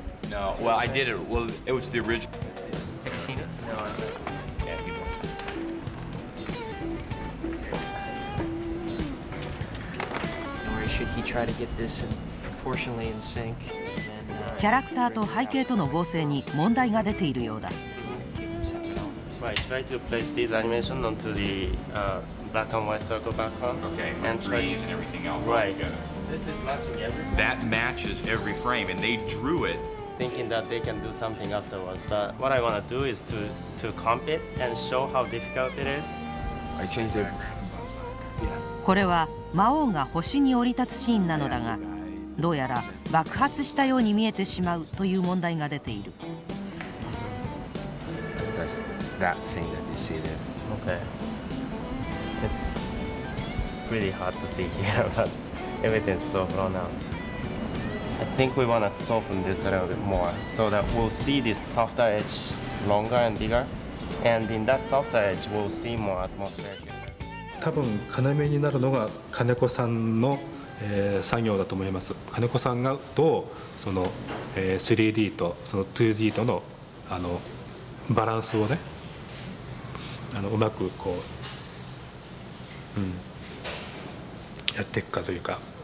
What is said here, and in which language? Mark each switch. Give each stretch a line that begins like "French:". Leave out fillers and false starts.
English: No, well, I did it. Well, it was the original. Have you seen it? No, I haven't. Yeah, people. Where should he try to get this in proportionally in sync?
Japanese: キャラクターと背景との合成に問題が出ているようだ。
English: I try to place this animation onto the black and white circle background. Okay, and trees and everything else. Right. This is matching everything. That matches every frame, and they drew it. Thinking that they can do something afterwards, but what I want to do is to comp it and show how difficult it is. I changed it.
Japanese: これは魔王が星に降り立つシーンなのだが、どうやら爆発したように見えてしまうという問題が出ている。
English: That's that thing that you see there. Okay. It's really hard to see here, but everything's so blown out. I think we want to soften this a little bit more so that we'll see this softer edge longer and bigger. And in that softer edge, we'll see more atmosphere.
Japanese: 多分要になるのが金子さんの作業だと思います。金子さんがどうその 3D とその 2D と のバランスをね、うまくこう、やっていくかというか。